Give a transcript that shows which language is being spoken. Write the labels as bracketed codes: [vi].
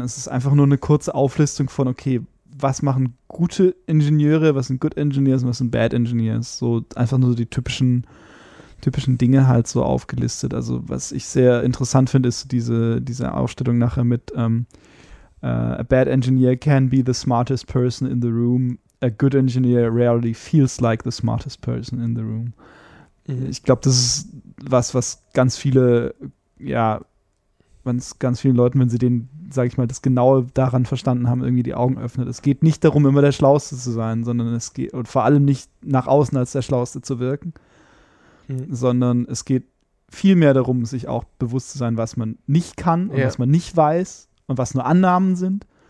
[de] Es ist einfach nur eine kurze Auflistung von, okay, was machen gute Ingenieure, was sind Good Engineers und was sind Bad Engineers? So einfach nur so die typischen Dinge halt so aufgelistet. Also was ich sehr interessant finde, ist diese Aufstellung nachher mit [en] a bad engineer can be the smartest person in the room. A good engineer rarely feels like the smartest person in the room. Mhm. [de] Ich glaube, das ist was ganz viele, ja, ganz vielen Leuten, wenn sie den, sag ich mal, das Genaue daran verstanden haben, irgendwie die Augen öffnet. Es geht nicht darum, immer der Schlauste zu sein, sondern es geht, und vor allem nicht nach außen als der Schlauste zu wirken, sondern es geht viel mehr darum, sich auch bewusst zu sein, was man nicht kann und was man nicht weiß und was nur Annahmen sind.